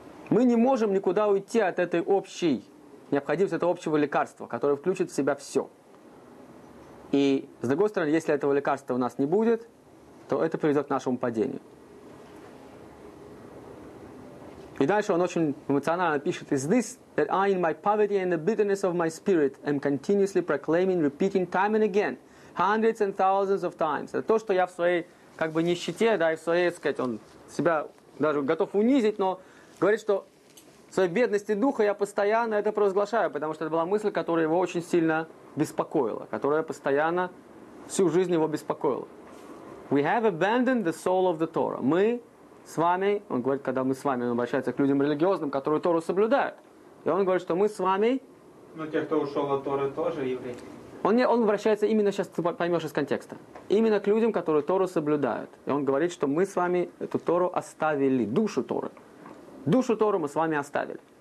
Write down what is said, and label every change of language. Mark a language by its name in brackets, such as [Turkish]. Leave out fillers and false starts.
[Russian] Мы не можем никуда уйти от этой общей необходимость этого общего лекарства, которое включит в себя все. И, с другой стороны, если этого лекарства у нас не будет, то это приведет к нашему падению. И дальше он очень эмоционально пишет: [English] «Is this that I, in my poverty and the bitterness of my spirit, am continuously proclaiming, repeating time and again, hundreds and thousands of times?» [Russian] Это то, что я в своей, как бы, нищете, да, и в своей, так сказать, он себя даже готов унизить, но говорит, что в своей бедности духа я постоянно это провозглашаю, потому что это была мысль, которая его очень сильно беспокоила, которая постоянно всю жизнь его беспокоила. [English] We have abandoned the soul of the Torah. [Russian] Мы с вами, он говорит, когда мы с вами, он обращается к людям религиозным, которые Тору соблюдают. И он говорит, что мы с вами... Ну, те, кто ушел от Торы, тоже евреи. Он обращается именно, сейчас ты поймешь из контекста, именно к людям, которые Тору соблюдают. И он говорит, что мы с вами эту Тору оставили, душу Торы. Душу Тору мы с вами оставили.